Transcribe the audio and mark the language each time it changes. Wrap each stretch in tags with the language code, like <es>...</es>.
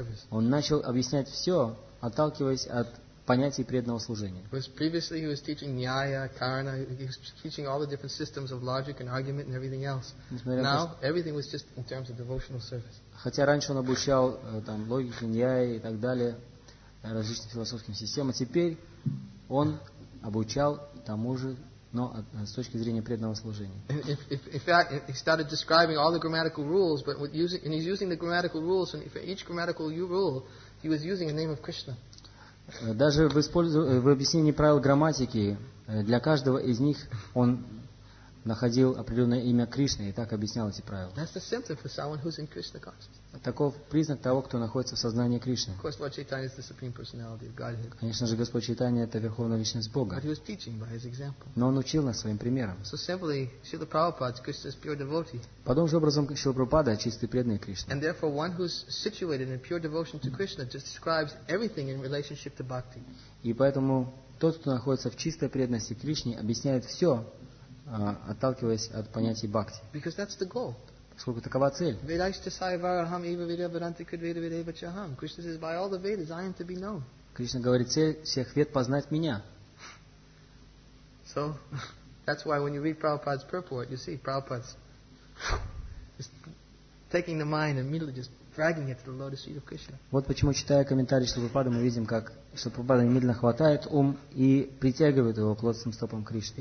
<ru>Он начал объяснять все, отталкиваясь от понятий преданного служения.</ru> <en>Because previously he was teaching Nyaya, Karana, he was teaching all the different systems of logic and argument and everything else. Now everything was just in terms of devotional service.</en> <ru>Хотя раньше он обучал там логике, Ньяе и так далее, различным философским системам, теперь он обучал тому же, но с точки зрения преданного служения.</ru> <en>In fact, he started describing all the grammatical rules, and he's using the grammatical rules, and for each grammatical rule, he was using a name of Krishna.</en> <ru>Даже в объяснении правил грамматики для каждого из них он находил определенное имя Кришны и так объяснял эти правила.</ru> <en>That's the symptom for someone who's in Krishna consciousness.</en> <ru>Таков признак того, кто находится в сознании Кришны.</ru> <en>Of course, Lord Chaitanya is the supreme personality of Godhead.</en> <ru>Конечно же, Господь Чайтанья — это верховная личность Бога.</ru> <en>But he was teaching by his example.</en> <ru>Но он учил нас своим примером.</ru> <en>So simply, Srila Prabhupada, Krishna's pure devotee.</en> <ru>Подобным же образом Шрила Прабхупада — чистый преданный Кришне.</ru> <en>And therefore, one who's situated in pure devotion to Krishna just describes everything in relationship to bhakti.</en> <ru>И поэтому тот, кто находится в чистой преданности Кришне, объясняет все, отталкиваясь от понятий бхакти.</ru> <en>Because that's the goal.</en> <ru>Поскольку такова цель.</ru> <sa>Vedaishta Sayavaraham Eva Veda Vedanti Kudveda Vedeva Chaham.</sa> <en>Krishna says, by all the Vedas, I am to be known.</en> <ru>Кришна говорит, цель всех вед — познать меня.</ru> <en>So, that's why when you read Prabhupada's purport, you see Prabhupada's just taking the mind and immediately just dragging it to the lotus feet of Krishna.</en> <ru>Вот почему, читая комментарии Шрилы Прабхупады, мы видим, как Шрила Прабхупада немедленно хватает ум и притягивает его к лотосным стопам Кришны.</ru>